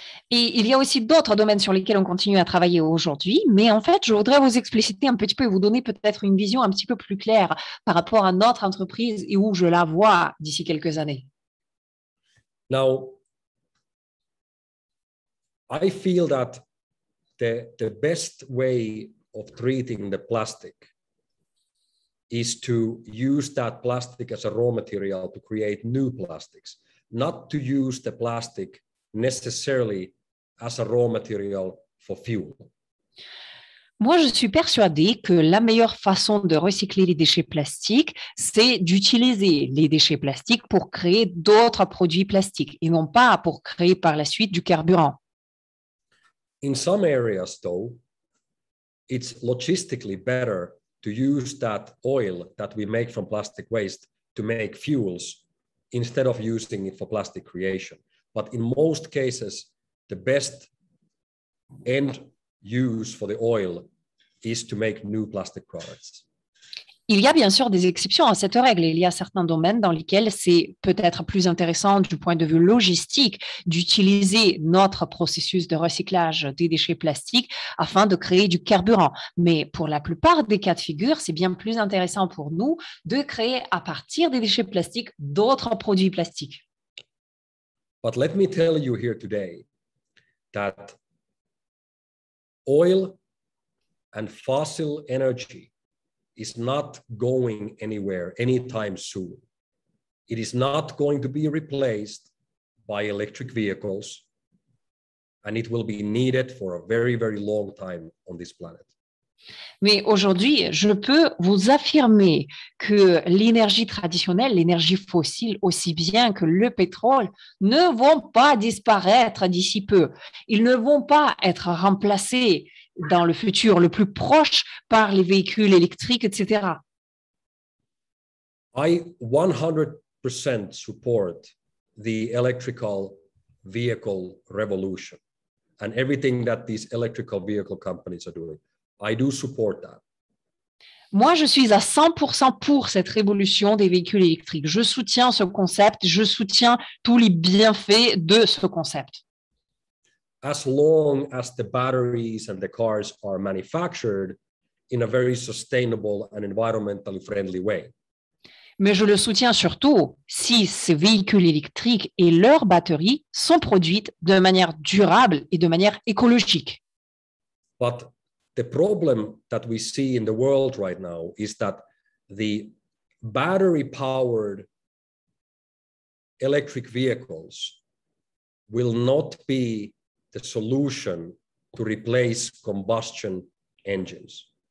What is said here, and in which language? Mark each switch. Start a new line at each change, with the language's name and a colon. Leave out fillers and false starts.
French: Et il y a aussi d'autres domaines sur lesquels on continue à travailler aujourd'hui, mais en fait, je voudrais vous expliciter un petit peu et vous donner peut-être une vision un petit peu plus claire par rapport à notre entreprise et où je la vois d'ici quelques années.
English: Now, I feel that the best way of treating the plastic is to use that plastic as a raw material to create new plastics, not to use the plastic necessarily as a raw material for fuel.
French: Moi, je suis persuadée que la meilleure façon de recycler les déchets plastiques, c'est d'utiliser les déchets plastiques pour créer d'autres produits plastiques et non pas pour créer par la suite du carburant.
English: In some areas, though, it's logistically better to use that oil that we make from plastic waste to make fuels instead of using it for plastic creation. But in most cases, the best end use for the oil is to make new plastic products.
French: Il y a bien sûr des exceptions à cette règle. Il y a certains domaines dans lesquels c'est peut-être plus intéressant du point de vue logistique d'utiliser notre processus de recyclage des déchets plastiques afin de créer du carburant. Mais pour la plupart des cas de figure, c'est bien plus intéressant pour nous de créer à partir des déchets plastiques d'autres produits plastiques.
English: But let me tell you here today that oil and fossil energy is not going anywhere anytime soon. It is not going to be replaced by electric vehicles, and it will be needed for a very, very long time on this planet.
French: Mais aujourd'hui, je peux vous affirmer que l'énergie traditionnelle, l'énergie fossile, aussi bien que le pétrole, ne vont pas disparaître d'ici peu. Ils ne vont pas être remplacés dans le futur le plus proche par les véhicules électriques, etc.
English: I 100% support the electrical vehicle revolution and everything that these electrical vehicle companies are doing. I do support that.
French: Moi, je suis à 100% pour cette révolution des véhicules électriques. Je soutiens ce concept, je soutiens tous les bienfaits de ce concept.
English: As long as the batteries and the cars are manufactured in a very sustainable and environmentally friendly way.
French: Mais je le soutiens surtout si ces véhicules électriques et leurs batteries sont produites de manière durable et de manière écologique.
English: But the problem that we see in the world right now is that the battery-powered electric vehicles will not be the solution to replace combustion engines.